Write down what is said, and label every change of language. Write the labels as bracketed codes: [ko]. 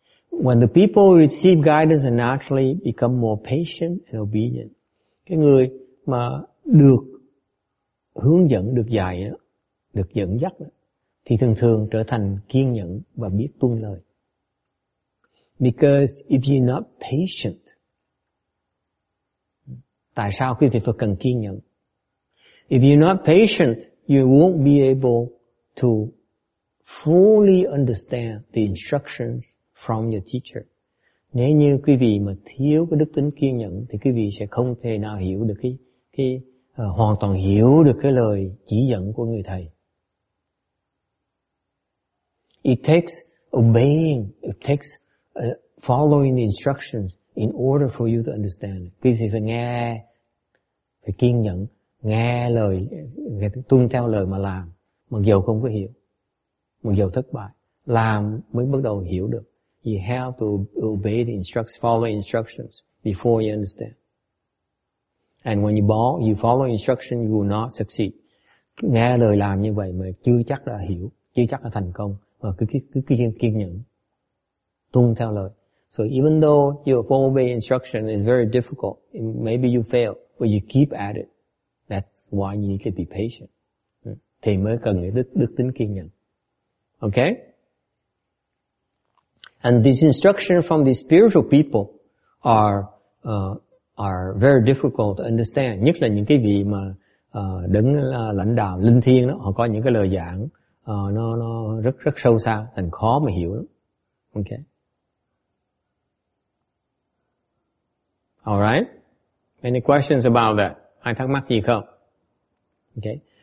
[en] When the people receive guidance and naturally become more patient and obedient. [vi] Cái người mà được hướng dẫn, được dạy, được dẫn dắt thì thường thường trở thành kiên nhẫn và biết tuân lời. [en] Because if you're not patient, [vi] tại sao quý vị phải cần kiên nhẫn? [en] If you're not patient, you won't be able to fully understand the instructions from your teacher. [vi] Nếu như quý vị mà thiếu cái đức tính kiên nhẫn thì quý vị sẽ không thể nào hiểu được hoàn toàn hiểu được cái lời chỉ dẫn của người thầy. [en] It takes obeying, it takes following the instructions in order for you to understand. [vi] Quý vị phải nghe, phải kiên nhẫn, nghe lời, tuân theo lời mà làm, mặc dù không có hiểu, mặc dù thất bại, làm mới bắt đầu hiểu được. [en] You have to obey the instructions, follow instructions before you understand. And when you follow instructions, you will not succeed. [vi] Nghe lời làm như vậy mà chưa chắc là hiểu, chưa chắc là thành công. Và cứ kiên nhẫn, tuân theo lời. [en] So even though you obey instruction is very difficult, maybe you fail, but you keep at it. That's why you need to be patient. [vi] Thì mới cần đức tính kiên nhẫn. [en] Okay? And these instructions from the spiritual people are very difficult to understand. [vi] Nhất là những cái vị mà đứng lãnh đạo linh thiêng đó, họ có những cái lời giảng nó rất rất sâu xa, thành khó mà hiểu lắm. [en] Okay. All right. Any questions about that? [vi] Ai thắc mắc gì không? [en] Okay.